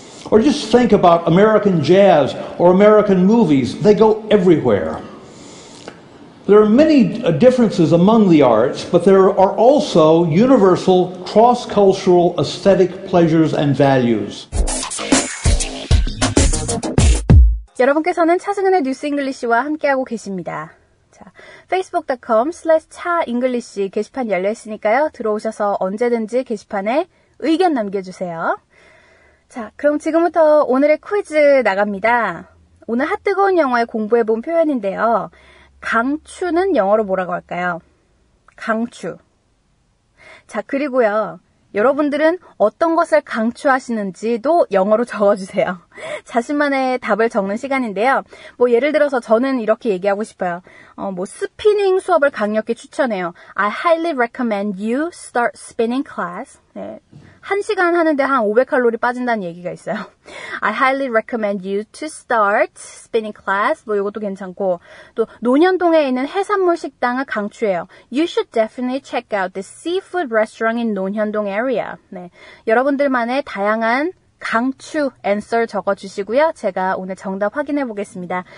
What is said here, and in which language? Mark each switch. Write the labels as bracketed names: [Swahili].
[English] Or just think about American jazz or American movies. They go everywhere. There are many differences among the arts, but there are also universal cross-cultural aesthetic pleasures and values. [Korean] 여러분께서는 차승은의 뉴스 잉글리시와 함께하고 계십니다. 자, facebook.com/차잉글리시 게시판 열려있으니까요. 들어오셔서 언제든지 게시판에 의견 남겨주세요. 자, 그럼 지금부터 오늘의 퀴즈 나갑니다. 오늘 핫뜨거운 영어에 공부해본 표현인데요. 강추는 영어로 뭐라고 할까요? 강추. 자, 그리고요. 여러분들은 어떤 것을 강추하시는지도 영어로 적어주세요. 자신만의 답을 적는 시간인데요. 뭐 예를 들어서 저는 이렇게 얘기하고 싶어요. 뭐 스피닝 수업을 강력히 추천해요. [English] I highly recommend you start spinning class. 네. [Korean] 한 시간 하는데 한 500칼로리 빠진다는 얘기가 있어요. [English] I highly recommend you to start spinning class. [Korean] 뭐 이것도 괜찮고. 또 논현동에 있는 해산물 식당을 강추해요. [English] You should definitely check out the seafood restaurant in 논현동 area. [Korean] 네. 여러분들만의 다양한 강추 answer 적어주시고요. 제가 오늘 정답 확인해 보겠습니다.